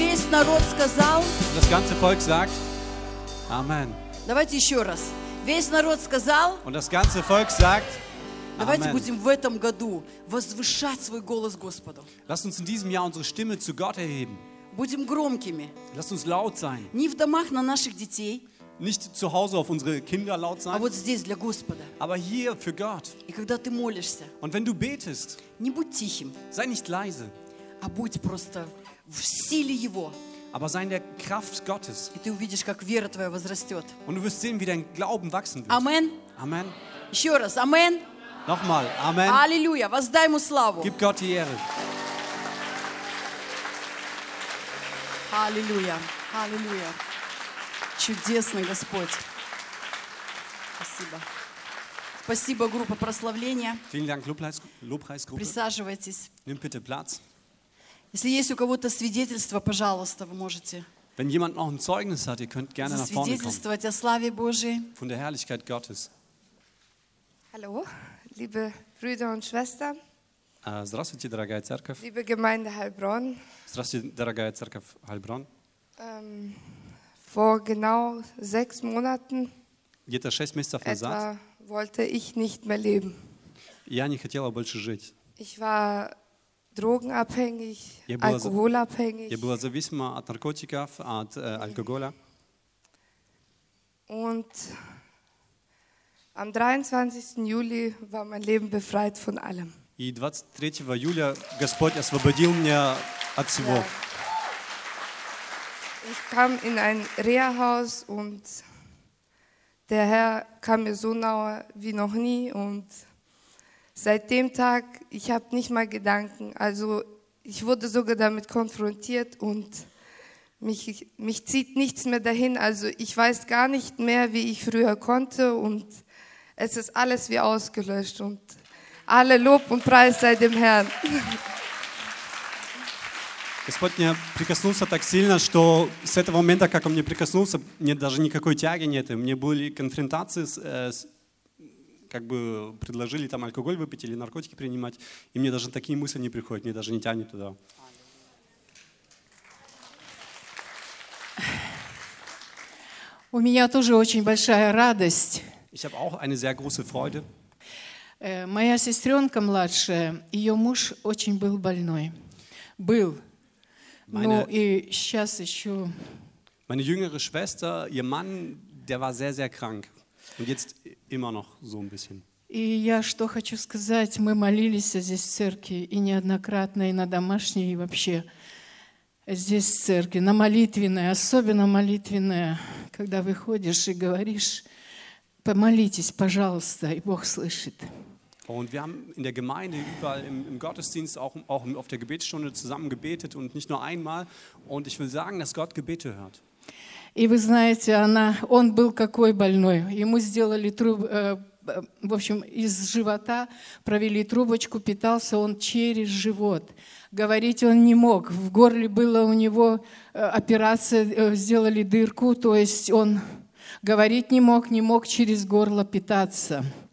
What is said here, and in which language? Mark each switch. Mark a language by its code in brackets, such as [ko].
[de] Das ganze Volk sagt Amen. [ru] Давайте еще раз. Весь народ сказал. [de] Und das ganze Volk sagt Amen. [ru] Давайте будем в этом году возвышать свой голос Господу. [de] Lasst uns in diesem Jahr unsere Stimme zu Gott erheben. [ru] Будем громкими. [de] Lasst uns laut sein. [ru] Не в домах на наших детей. [de] Nicht zu Hause auf unsere Kinder laut sein. [ru] А вот здесь для Господа. [de] Aber hier für Gott. [ru] И когда ты молишься. [de] Und wenn du betest. [ru] Не будь тихим. [de] Sei nicht leise. [ru] А будь просто в силе Его. [de] Aber sei in der Kraft Gottes. [ru] И ты увидишь, как вера твоя возрастет. [de] Und du wirst sehen, wie dein Glauben wachsen wird. Amen. Amen. [ru] Еще раз. Amen. [de] Nochmal. Amen. [ru] Halleluja. Воздай ему славу. [de] Gib Gott die Ehre. [ru] Halleluja. Halleluja. Чудесный Господь. Спасибо. Спасибо, группа прославления. [de] Vielen Dank, Lobpreisgruppe. [ru] Присаживайтесь. [de] Nimm bitte Platz. [ru] Если есть у кого-то свидетельство, пожалуйста, вы можете. [de] Wenn jemand noch ein Zeugnis hat, ihr könnt gerne nach vorne kommen. [ru] Свидетельствовать о славе Божьей. [de] Von der Herrlichkeit Gottes. Hallo, liebe Brüder und Schwestern. [ru] Здравствуйте, дорогая церковь. [de] Liebe Gemeinde Heilbronn. [ru] Здравствуйте, дорогая церковь Heilbronn. [de] Vor genau 6 Monaten. [ru] Где-то 6 месяцев назад. [de] Etwa wollte ich nicht mehr leben. [ru] Я не хотела больше жить. [de] Ich war drogenabhängig, alkoholabhängig. [ru] Я была зависима от наркотиков, от алкоголя. [de] Und am 23. Juli war mein Leben befreit von allem. [ru] И 23 июля Господь освободил меня от всего. [de] Ich kam in ein Reha-Haus und der Herr kam mir so nahe wie noch nie und seit dem Tag, ich habe nicht mal Gedanken. Also ich wurde sogar damit konfrontiert und mich zieht nichts mehr dahin. Also ich weiß gar nicht mehr, wie ich früher konnte und es ist alles wie ausgelöscht. Und alle Lob und Preis sei dem Herrn. [ru] Господь меня прикоснулся так сильно, что с этого момента, как он мне прикоснулся, нет даже никакой тяги нет. У меня были конфронтации с как бы предложили там алкоголь выпить или наркотики принимать, и мне даже такие мысли не приходят, мне даже не тянет туда. У меня тоже очень большая радость. [de] Ich habe auch eine sehr große Freude. [ru] Моя сестренка младшая, ее муж очень был больной. Был. Ну и сейчас еще... [de] Meine jüngere Schwester, ihr Mann, der war sehr, sehr krank. Und jetzt immer noch so ein bisschen. [ru] И я что хочу сказать, мы молились здесь в церкви и неоднократно, и на домашней, и вообще здесь в церкви, на молитвенное, особенно молитвенное, когда выходишь и говоришь, помолитесь, пожалуйста, и Бог слышит. [de] Und wir haben in der Gemeinde, überall im Gottesdienst, auch auf der Gebetsstunde zusammen gebetet und nicht nur einmal. Und ich will sagen, dass Gott Gebete hört. [ru] И вы знаете, он был какой больной. Ему сделали в общем, из живота провели трубочку, питался он через живот. Говорить он не мог. В горле была у него операция, сделали дырку, то есть он говорить не мог через горло питаться.